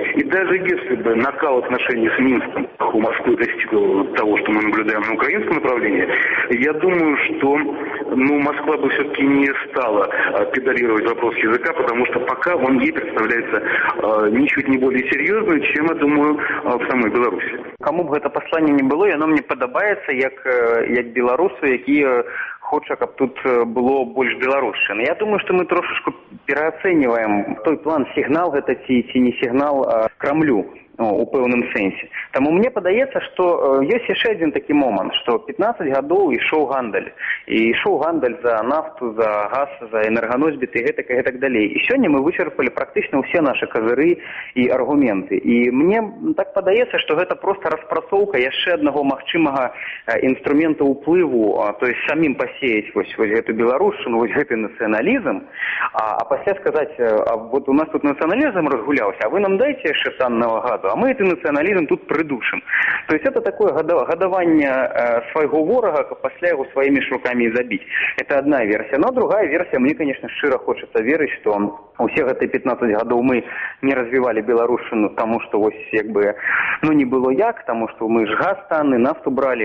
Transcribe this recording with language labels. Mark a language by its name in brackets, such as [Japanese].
[Russian] И даже если бы накал отношений с Минском у Москвы достиг того, что мы наблюдаем на украинском направлении, я думаю, что Москва бы все-таки не стала педалировать вопрос языка, потому что пока он ей представляется ничуть не более серьезным, чем, я думаю, в самой Беларуси. Кому бы это послание ни было, и оно мне подобается, как белорусу, який хоча, каб тут было больш беларушчыны. [Belarusian] Я думаю, што мы трошачку пераацэньваем той план, сігнал гэта ці не сігнал Крамлю у пэўным сэнсе. Таму мне падаецца, што ёсць яшчэ адзін такі момант, што 15 гадоў ішоў гандаль. І ішоў гандаль за нафту, за газ, за энерганосьбіты і гэтак далей. І сёння мы вычерпалі практычна ўсе нашы казыры і аргументы. І мне так падаецца, што гэта проста распрацоўка яшчэ аднаго магчымага інструмента ўплыву, то есть самім пасеяць вось гэту беларушчыну, вось гэты нацыяналізм, а пасля сказаць, а вот у нас тут нацыяналізм разгуляўся, а вы нам дайце яшчэ таннага газа, [Russian] а мы этот национализм тут придушим. То есть это такое гадование своего ворога, как после его своими шурками забить. Это одна версия. Но другая версия, мне, конечно, широ хочется верить, что у всех этой 15 годов мы не развивали белорусшину, потому что вот как бы, ну, не было як, потому что мы ж газ танны, нафту брали.